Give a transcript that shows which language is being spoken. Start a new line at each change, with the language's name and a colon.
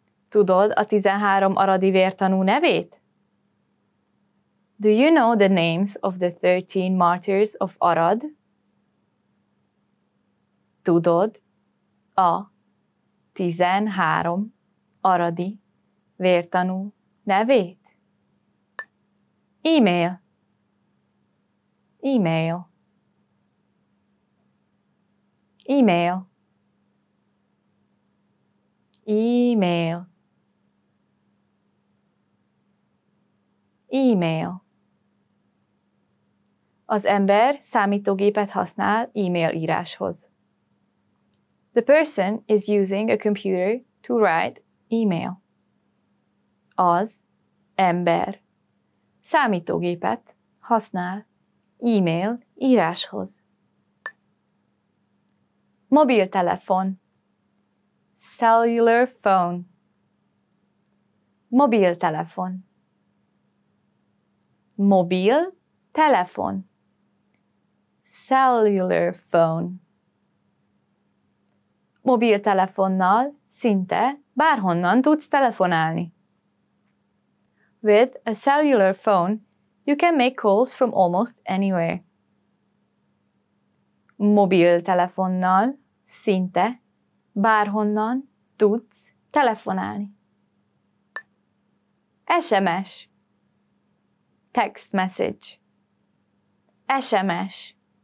Hungarian: Tudod a 13 aradi vértanú nevét?
English: Do you know the names of the 13 martyrs of Arad?
Hungarian: Tudod a 13 aradi vértanú nevét? E-mail. E-mail. E-mail. E-mail. E-mail. Az ember számítógépet használ e-mail íráshoz.
English: The person is using a computer to write email.
Hungarian: Az ember számítógépet használ e-mail íráshoz. Mobiltelefon.
English: Cellular phone.
Hungarian: Mobiltelefon. Mobil telefon.
English: Cellular phone.
Hungarian: Mobiltelefonnal szinte bárhonnan tudsz telefonálni.
English: With a cellular phone, you can make calls from almost anywhere.
Hungarian: Mobiltelefonnal szinte bárhonnan tudsz telefonálni. SMS.
English: Text message.
Hungarian: SMS.